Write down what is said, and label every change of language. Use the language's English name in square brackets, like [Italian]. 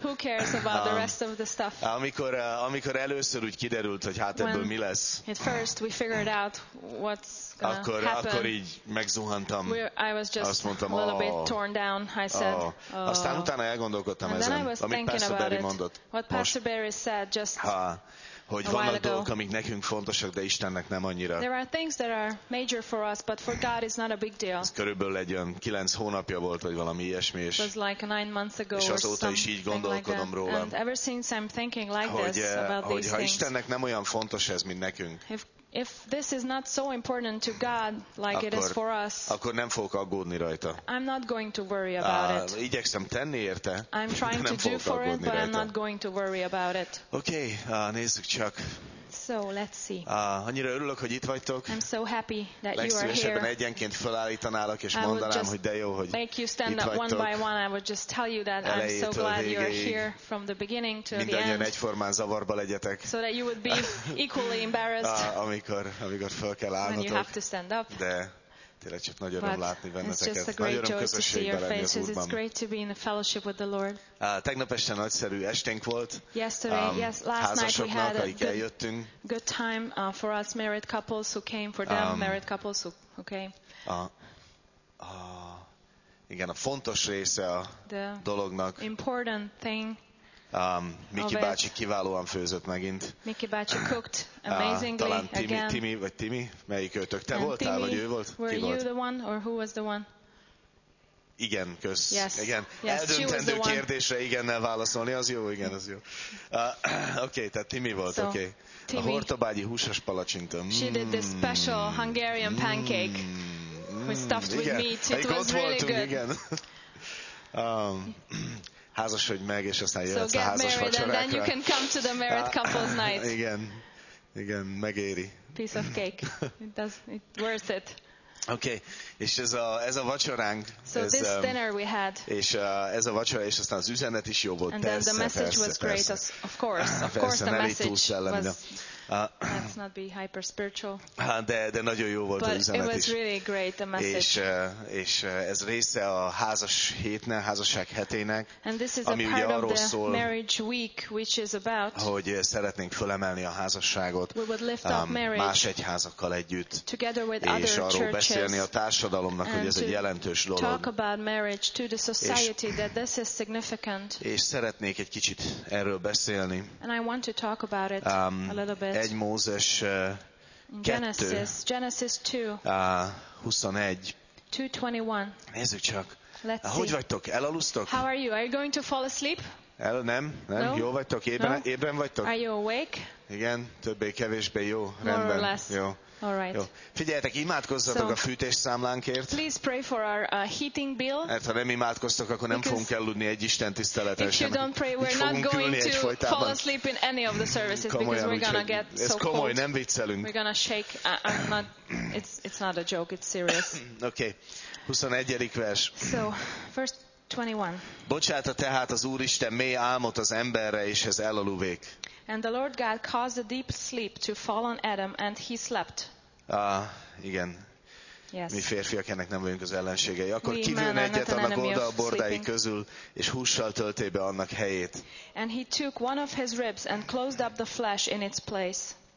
[English] Who cares about the rest of the stuff? [Hungarian] Amikor először úgy kiderült, hogy hát ebből mi lesz. [English] At first we figured out what's gonna happen. [Hungarian] Akkor így megzuhantam. [English] I was just [Hungarian] mondtam, [English] a little bit torn down. I said. [Hungarian] Aztán utána elgondolkodtam ezen, amit Pastor Barry mondott. [English] What Pastor Barry said just. [Hungarian] Hogy vannak dolgok, amik nekünk fontosak, de Istennek nem annyira. [English] There are things that are major for us, but for God it's not a big deal. [Hungarian] Ez körülbelül egy olyan 9 hónapja volt, vagy valami ilyesmi, és azóta is így gondolkodom róla. [English] And ever since I'm thinking like this about these things. [Hungarian] Istennek nem olyan fontos ez, mint nekünk. [English] If this is not so important to God like it is for us, [Hungarian] akkor nem fogok aggódni rajta. [English] I'm not going to worry about it. [Hungarian] Igyekszem tenni érte. [English] I'm trying to do for it, but I'm not going to worry about it. [Hungarian] Okay, nézzük csak. [English] So let's see. [Hungarian] Annyira örülök, hogy itt vagytok. [English] I'm so happy that you are here. [Hungarian] Legszívesebben egyenként felállítanálok és mondanám, hogy de jó, hogy itt vagytok. [English] Make you stand up one by one. I would just tell you that I'm so glad you are here from the beginning to the end. [Hungarian] Mindannyian egyformán zavarba legyetek. [English] So that you would be equally embarrassed. [Hungarian] Amikor fel kell állnotok. [English] When you have to stand up. [Hungarian] De tényleg csak nagy öröm látni benneteket. Nagy öröm közösségben lenni az Úrban. [English] It's great to be in the fellowship with the Lord. [Hungarian] Tegnap este nagyszerű esténk volt. Házasoknak, akik eljöttünk. [English] Good time for us married couples who came, for them married couples who came. Okay. [Hungarian] Igen, a fontos része a dolognak. [English] Important thing. [Hungarian] Miki bácsi kiválóan főzött megint. [English] Miki bácsi cooked amazingly [Hungarian] talán [English] Timi, again. [Hungarian] Timi vagy Timi, melyik őtök? Te [English] and [Hungarian] voltál, Timi, vagy ő volt? [English] Were [Hungarian] ki [English] you [Hungarian] volt? [English] The one or who was the one? [Hungarian] Igen, kösz. [English] Yes. [Hungarian] Igen. [English] Yes, [Hungarian] eldöntendő kérdésre igennel válaszolni, az jó, igen, az jó. Okay, tehát Timi volt, [English] so, okay. [Hungarian] Timi. A hortobágyi húsos palacsinta. [English] She did this special Hungarian pancake. We stuffed with meat. It was really good. [Hungarian] Igen. Házasodj meg, és aztán jöhetsz a házas vacsorákra. Igen, igen, megéri. [English] Piece of cake. It's worth it. [Hungarian] Okay. És ez a vacsoránk. [English] So [Hungarian] ez, [English] this dinner we had. [Hungarian] És ez a vacsora, és aztán az üzenet is jó volt. [English] And then the message was great. Let's not be hyper spiritual. [Hungarian] De nagyon jó volt az üzenet is. [English] It was really great, the message. [Hungarian] És ez része a házas hétnek, házasság hetének, ami ugye arról szól, [English] marriage week, which is about, [Hungarian] hogy szeretnénk fölemelni a házasságot más egyházakkal együtt, [English] together with [Hungarian] és [English] other [Hungarian] arról [English] churches, [Hungarian] beszélni a társadalomnak, hogy ez egy jelentős dolog. [English] Talk about marriage to the society, that this is significant. [Hungarian] És szeretnék egy kicsit erről beszélni. [English] And I want to talk about it a little bit. [Hungarian] 1 Mózes 2, [English] Genesis [Hungarian] 21. Nézzük csak. Hogy vagytok? Elaludtok? [English] How are you? Are you going to fall asleep? [Hungarian] Nem. No? Jó vagytok? Ébren vagytok? [English] Are you awake? [Hungarian] Igen, többé-kevésbé jó. Rendben. [English] More or less. [Hungarian] Jó. [English] All right. [Hungarian] Jó. Figyeljetek, imádkozzatok a fűtés számlánkért. [English] Please pray for our heating bill. [Hungarian] Mert ha nem imádkoztok, akkor nem fogunk elludni egy Isten tiszteleten [English] sem. If you don't pray, we're not going to fall asleep in any of the services [Hungarian] komolyan, [English] because we're gonna get so cold. [Hungarian] Ez komoly, nem viccelünk. [English] We're gonna shake. It's not a joke. It's serious. [Hungarian] Okay. 21. vers. [English] So, first 21. [Hungarian] Bocsátta tehát az Úristen mély álmot az emberre, és ez elaluvék. [English] And the Lord God caused a deep sleep to fall on Adam, and he slept. [Hungarian] Igen. [English] Yes. [Hungarian] Mi férfiak ennek nem vagyunk az ellenségei. Akkor kivőn egyet annak oda a bordái közül, és hússal tölté be annak helyét. [English] And he took one of his ribs and closed up the flesh in its place.